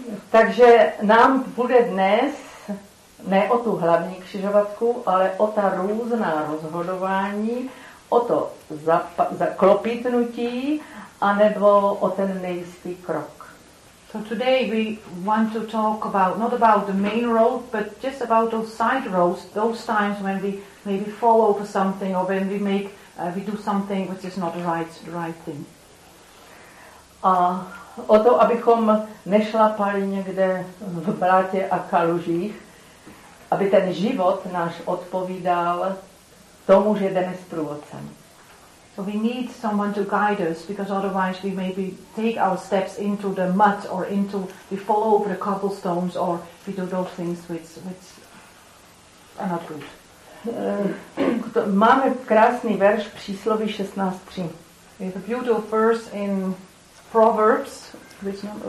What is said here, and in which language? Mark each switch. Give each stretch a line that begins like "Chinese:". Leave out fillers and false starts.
Czech: Takže nám bude dnes ne o tu hlavní křižovatku, ale o ta různá rozhodování, o to zaklopitnutí, anebo o ten nejistý krok.
English: So today we want to talk about not about the main road, but just about those side roads, those times when we maybe fall over something or when we do something which is not the right thing.
Czech: A o to, abychom nešlapali někde v blátě a kalužích, aby ten život náš odpovídal tomu, že jdeme s průvodcem.
English: So we need someone to guide us, because otherwise we maybe take our steps into the mud or into we fall over the cobblestones or we do those things which are not good.
Czech: Máme krásný verš přísloví 16:3.
English: We have a beautiful verse in Proverbs, which number?